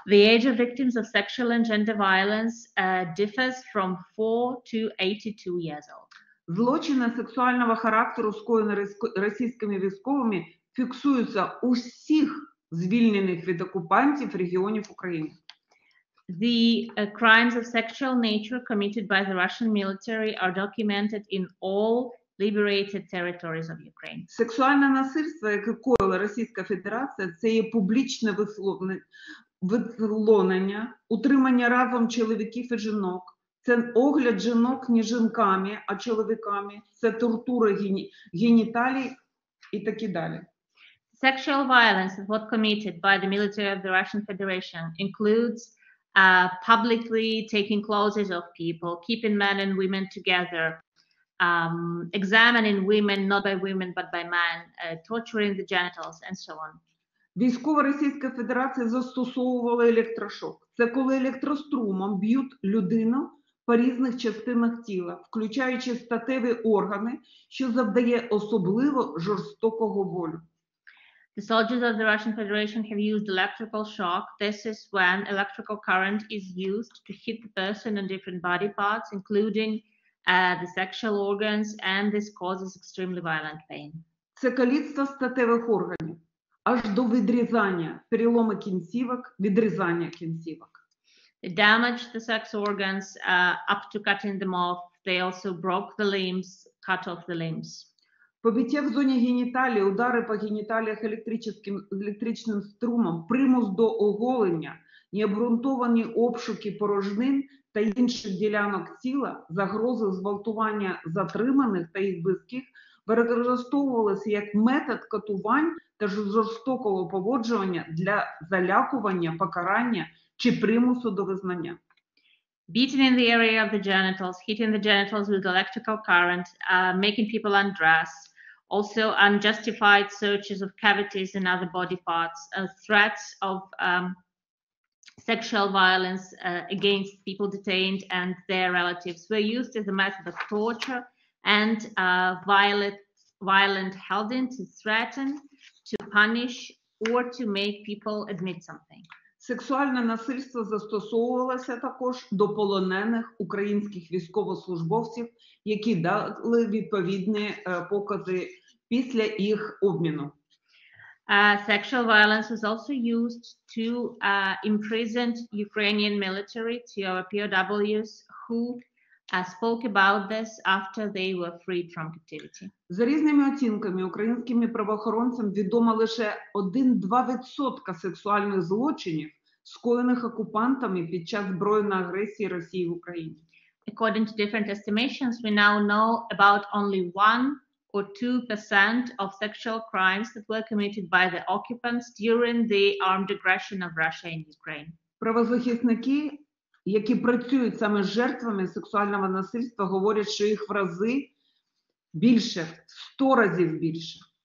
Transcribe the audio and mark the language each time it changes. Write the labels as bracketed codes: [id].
[en] The age of victims of sexual and gender violence differs from 4 to 82 years old. [uk] Злочини сексуального характеру, скоєні російськими військовими, фіксуються у всіх звільнених від окупантів регіонів України. [en] The crimes of sexual nature committed by the Russian military are documented in all liberated territories of Ukraine. [uk] Сексуальне насильство, яке коїла Російська Федерація, це є публічне висловлення, утримання разом чоловіків і жінок. Це огляд жінок не жінками, а чоловіками. Це тортура геніталій і так далі. [en] Sexual violence is what committed by the military of the Russian Federation includes publicly taking clothes off people, keeping men and women together, examining women not by women but by men, torturing the genitals and so on. [uk] Військова Російська Федерація застосовувала електрошок. Це коли електрострумом б'ють людину по різних частинах тіла, включаючи статеві органи, що завдає особливо жорстокого болю. [en] The soldiers of the Russian Federation have used electrical shock. This is when electrical current is used to hit the person on different body parts, including the sexual organs, and this causes extremely violent pain. [uk] Це каліцтво статевих органів, аж до відрізання, переломи кінцівок, відрізання кінцівок. [en] They damaged the sex organs up to cutting them off. They also broke the limbs, cut off the limbs. [uk] Побиття в зоні геніталії, удари по геніталіях електричним струмом, примус до оголення, необґрунтовані обшуки порожнин та інших ділянок тіла, загрози зґвалтування затриманих та їх близьких використовувалися як метод катувань та жорстокого поводження для залякування, покарання чи примусу до визнання. [en] Beating in the area of the genitals, hitting the genitals with electrical current, making people undress. Also, unjustified searches of cavities and other body parts, threats of sexual violence against people detained and their relatives were used as a method of torture and violent holding to threaten, to punish, or to make people admit something. [uk] Сексуальне насильство застосовувалося також до полонених українських військовослужбовців, які дали відповідні покази. Після їх обміну. [en] Sexual violence was also used to imprison Ukrainian military, to our POWs, who spoke about this after they were freed from captivity. [uk] За різними оцінками, українським правоохоронцям відомо лише 1-2% сексуальних злочинів, скоєних окупантами під час збройної агресії Росії в Україні. [en] According to different estimations, we now know about only 1-2% of sexual crimes that were committed by the occupants during the armed aggression of Russia in Ukraine. [uk] Правозахисники, які працюють саме з жертвами сексуального насильства, говорять, що їх в рази більше, в 100 разів більше.